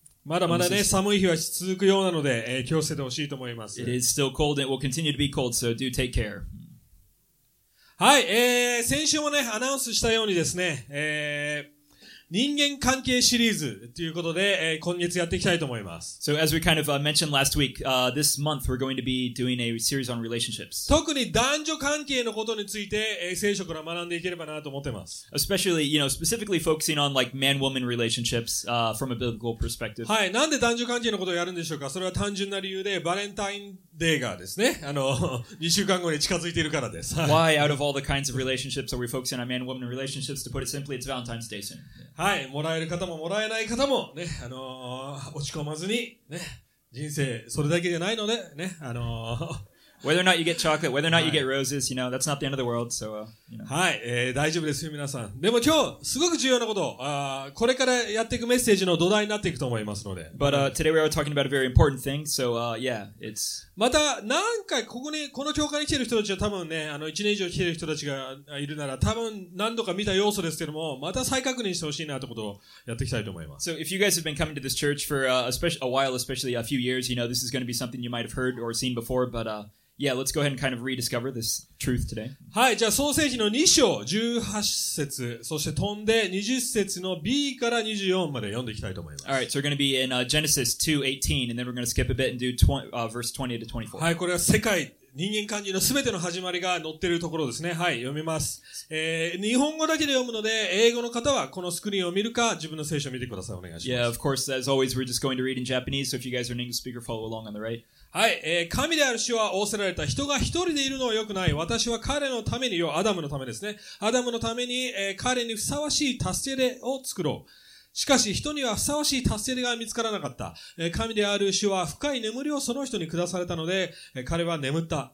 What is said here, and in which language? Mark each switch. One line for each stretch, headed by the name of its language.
Japanese: まだまだね、寒い日は続くようなので、気をつけてほしいと思います。
English: It is still cold and it will continue to be cold, so do take care.
Japanese: はい、先週もね、アナウンスしたようにですね、人間関係シリーズということで、今月やっていきたいと思います。
English: So as we kind of mentioned last week, this month we're going to be doing a series on relationships.
Japanese: 特に男女関係のことについて、聖書から学んでいければなと思ってます。
English: Especially, you know, specifically focusing on like man-woman relationships, from a biblical perspective.
Japanese: はい。なんで男女関係のことをやるんでしょうか？それは単純な理由で、バレンタインデーがですね、2週間後に近づいているからです。
English: Why out of all the kinds of relationships are we focusing on man-woman relationships? To put it simply, it's Valentine's Day soon.
Japanese: はい、もらえる方ももらえない方もね、落ち込まずにね、人生それだけじゃないのでね、
English: Whether or not you get chocolate, whether or not you get roses, you know, that's not the end of the world, so, you know.
Japanese: はい、大丈夫ですよ、皆さん。でも今日、すごく重要なこと、これからやっていくメッセージの土台になっていくと思いますので。
English: But, today we are talking about a very important thing, so, yeah, it's...
Japanese: また、何回、ここに、この教会に来てる人たちは多分ね、1年以上来てる人たちがいるなら、多分何度か見た要素ですけども、また再確認してほしいなってことをやっていきたいと思います。
English: So, if you guys have been coming to this church for, a while, especially a few years, you know, this is going to be something you might have heard or seen before, but, Yeah, let's go ahead and kind of rediscover this truth today.
Japanese: はい、じゃあ創世記の2章18節、そして飛んで20節の B から24まで読んでいきたいと思います。
English: All right, so we're going to be in Genesis 2:18, and then we're going to skip a bit and do verse 20 to 24.
Japanese: はい、これは世界、人間関係のすべての始まりが載ってるところですね。はい、読みます。日本語だけで読むので、英語の方はこのスクリーンを見るか、自分の聖書を見てください。お願いします。
English: Yeah, of course, as always, we're just going to read in Japanese, so if you guys are an English speaker, follow along on the right.
Japanese: はい、神である主は仰せられた。人が一人でいるのは良くない。私は彼のためによ、アダムのためですね。アダムのために、彼にふさわしい助け出を作ろう。しかし人にはふさわしい助け出が見つからなかった。神である主は深い眠りをその人に下されたので、彼は眠った。